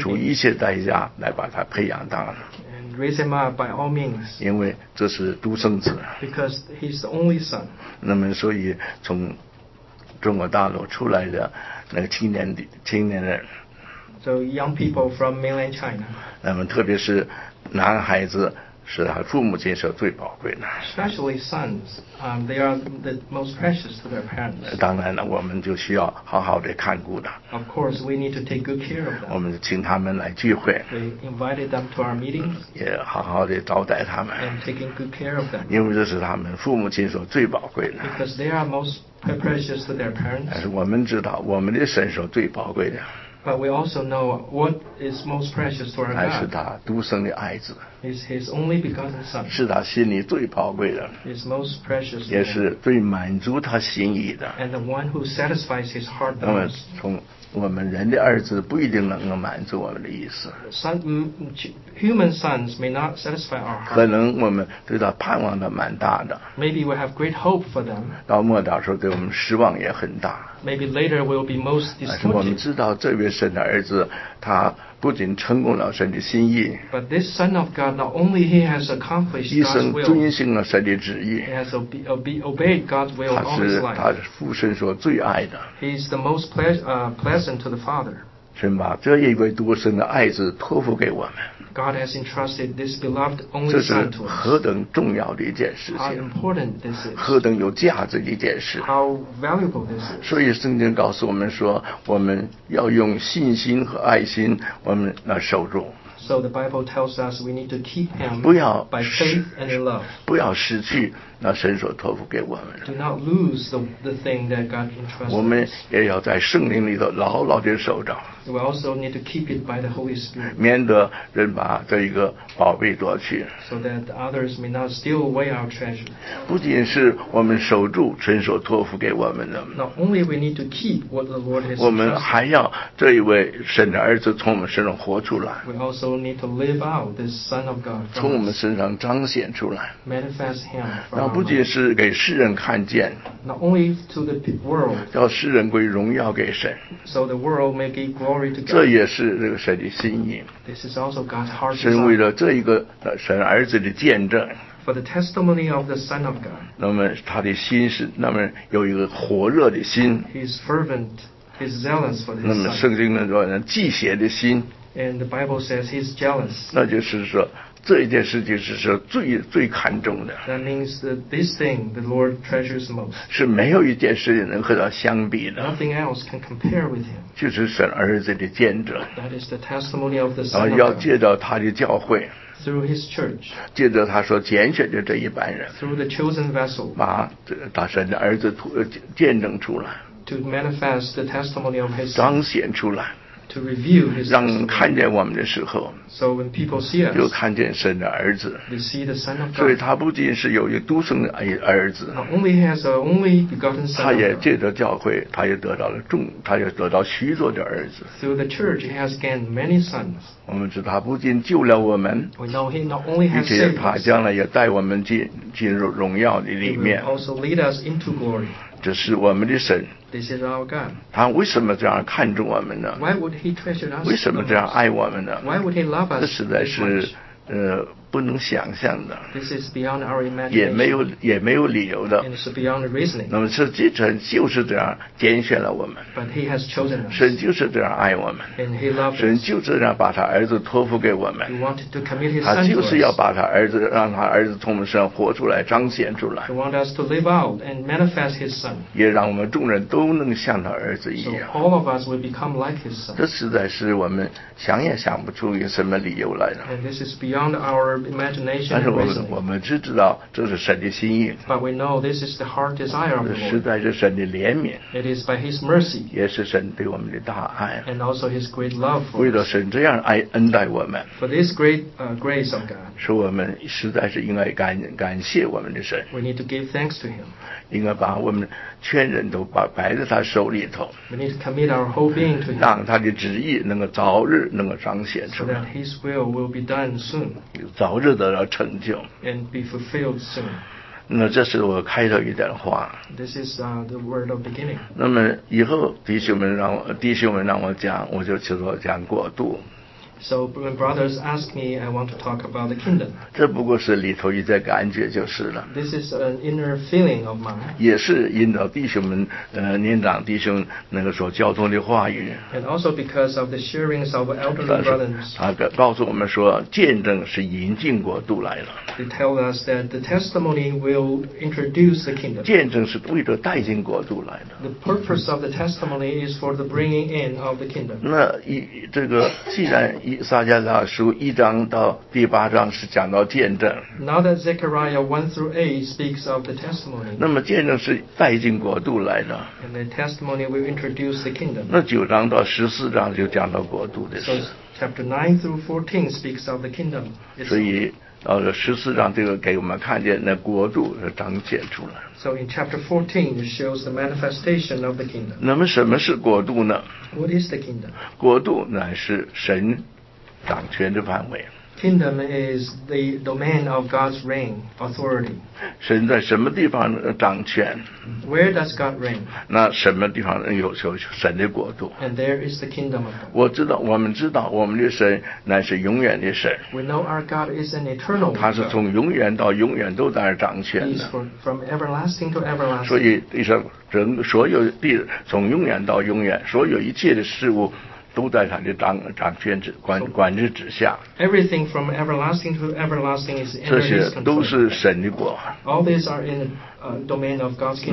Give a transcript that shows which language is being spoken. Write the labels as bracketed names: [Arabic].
[Chinese] 出一切代价来把他培养大。 [English] Raise him up by all means. [Chinese] 因为这是独生子。 [English] Because he's the only son. [Chinese] 那么所以从中国大陆出来的那个青年人 [English] So young people from mainland China [Chinese] 那么特别是男孩子是他父母亲是最宝贵的 [English] Especially sons they are the most precious to their parents [Chinese] 当然了我们就需要好好的看顾他 [English] Of course we need to take good care of them [Chinese] 我们请他们来聚会 [English] We invited them to our meetings [Chinese] 也好好的招待他们 [English] And taking good care of them [Chinese] 因为这是他们父母亲所最宝贵的 [English] Because they are most precious to their parents [Chinese] 但是我们知道我们的神是最宝贵的 [English] But we also know what is most precious to our God. [Chinese] 乃是他独生的爱子。 [English] Is his only begotten son. [Chinese] 是他心里最宝贵的。 [English] Is most precious. [Chinese] 也是最满足他心意的。 [English] And the one who satisfies his heart. [Chinese] 那么从我们人的儿子不一定能够满足我们的意思。 [English] Human sons may not satisfy our heart. [Chinese] 可能我们对他盼望的蛮大的。 [English] Maybe we have great hope for them. [Chinese] 到末了时候对我们失望也很大。 [English] Maybe later will be most disappointed. [Chinese] 但是我们知道这位神的儿子他不仅成功了神的心意 [English] But this son of God not only he has accomplished God's will [Chinese] 一生遵行了神的旨意 [English] He has obeyed God's will all his life [Chinese] 他是父神所最爱的 [English] He is the most pleasant to the Father [Chinese] 神把这一位独生的爱子托付给我们 [English] God has entrusted this beloved only son to us [Chinese] 这是何等重要的一件事情 [English] How important this is [Chinese] 何等有价值的一件事 [English] How valuable this is [Chinese] 所以圣经告诉我们说我们要用信心和爱心我们来守住 [English] So the Bible tells us we need to keep him [Chinese] 不要 [English] by faith and in love [Chinese] 不要失去那神所托付给我们 [English] Do not lose the thing that God entrusted [Chinese] 我们也要在圣灵里头牢牢地守着 [English] We also need to keep it by the Holy Spirit [Chinese] 免得人把这一个宝贝夺去 [English] So that others may not steal away our treasure [Chinese] 不仅是我们守住神所托付给我们的 [English] Not only we need to keep what the Lord has entrusted [Chinese] 我们还要这一位神的儿子从我们身上活出来 [English] We also need to live out this Son of God [Chinese] 从我们身上彰显出来 [English] Manifest him from [Chinese] 那不仅是给世人看见 [English] Not only to the world, [Chinese] 叫世人归荣耀给神 [English] so the world may give glory to God. [Chinese] 这也是这个神的心意 [English] This is also God's heart [Chinese] 神为了这一个神儿子的见证 [English] For the testimony of the Son of God [Chinese] 那么他的心是那么有一个火热的心 [English] He's fervent, he's zealous for his son [Chinese] 那么圣经说祭邪的心 [English] And the Bible says he's jealous [Chinese] 那就是说这一件事情是最看重的 [English] That means that this thing the Lord treasures most [Chinese] 是没有一件事情能和他相比的 [English] Nothing else can compare with him [Chinese] 就是神儿子的见证 [English] That is the testimony of the Son of God [Chinese] 然后要借着他的教会 [English] Through his church [Chinese] 借着他所拣选的这一班人 [English] Through the chosen vessel [Chinese] 把神的儿子见证出来 [English] To manifest the testimony of his Son [Chinese] 彰显出来 [English] to review his testimony. [Chinese] 让人看见我们的时候 [English] so when people see us, [Chinese] 就看见神的儿子 [English] they see the son of God. [Chinese] 所以他不仅是有一个独生的儿子 [English] Not only has a only begotten son, [Chinese] 他也借着教会他也得到了众他也得到许多的儿子 [English] Through the church he has gained many sons. [Chinese] 我们知道他不仅救了我们 [English] We know he not only has saved us, [Chinese] 并且他将来也带我们 进入荣耀的里面 [English] He will also lead us into glory. [Chinese] 这是我们的神 [English] This is our God. [Chinese] 他为什么这样看重我们呢 [English] Why would he treasure us [Chinese] 为什么这样爱我们呢 [English] Why would he love us [Chinese] 这实在是不能想象的 [English] This is beyond our imagination. [Chinese] 也没有理由的 [English] And it's beyond reasoning. [Chinese] 那么是基督就是这样拣选了我们 [English] But he has chosen us. [Chinese] 神就是这样爱我们 [English] And he loves us. [Chinese] 神就是这样把他儿子托付给我们 [English] He wanted to commit his son to us. [Chinese] 他就是要把他儿子让他儿子从我们身上活出来彰显出来 [English] He wants us to live out and manifest his son. [Chinese] 也让我们众人都能像他儿子一样 [English] So all of us will become like his son. [Chinese] 这实在是我们想也想不出一个什么理由来的 [English] And this is beyond our imagination and reasoning. [Chinese] 但是我们只知道这是神的心意。 [English] But we know this is the heart desire of the Lord. [Chinese] 实在是神的怜悯。 [English] It is by His mercy. [Chinese] 也是神对我们的大爱。 [English] And also His great love for us. [Chinese] 为了神这样爱恩待我们。 [English] For this great grace of God. [Chinese] 是我们实在是应该感谢我们的神。 [English] We need to give thanks to Him. [Chinese] 应该把我们全人都摆在他手里头。 [English] We need to commit our whole being to Him. [Chinese] 让他的旨意能够早日能够彰显出来。 [English] So that His will be done soon. [Chinese] 早日得到成就 [English] and be fulfilled soon. [Chinese] 那这是我开头一点话 [English] This is the word of beginning. [Chinese] 那么以后弟兄们让我讲我就去做讲过渡 [English] So when brothers ask me I want to talk about the kingdom. [Chinese] 这不过是里头一点感觉就是了 [English] This is an inner feeling of mine. [Chinese] 也是引导弟兄们年长弟兄那个所交通的话语 [English] And also because of the sharings of elderly brothers. [Chinese] 他告诉我们说见证是引进国度来了 [English] They tell us that the testimony will introduce the kingdom. [Chinese] 见证是为了带进国度来的。 [English] The purpose of the testimony is for the bringing in of the kingdom. [Chinese] 那这个既然以撒迦拉书一章到第八章是讲到见证。 [English] Now that Zechariah 1 through 8 speaks of the testimony. [Chinese] 那么见证是带进国度来的。 [English] And the testimony will introduce the kingdom. [Chinese] 那九章到十四章就讲到国度的事。 [English] So chapter 9 through 14 speaks of the kingdom. [Chinese] 所以到了十四章，这个给我们看见那国度是彰显出来。 [English] So in chapter 14, it shows the manifestation of the kingdom. [Chinese] 那么什么是国度呢 [English] ？What is the kingdom? [Chinese] 国度乃是神掌权的范围。 [English] Kingdom is the domain of God's reign authority. [Chinese] 神在什么地方掌权 [English] ？Where does God reign? [Chinese] 那什么地方有神的国度 [English] ？And there is the kingdom of God. [Chinese] 我们知道我们的神乃是永远的神。 [English] We know our God is an eternal. [Chinese] 他是从永远到永远都在掌权的。 [English] He's from everlasting to everlasting. [Chinese] 所以地上人所有地从永远到永远，所有一切的事物。都在他的掌权之管制之下。 [English] Everything from everlasting to everlasting is in His control. [Chinese] 这些都是神的国。 [English] All these are in domain of God's kingdom.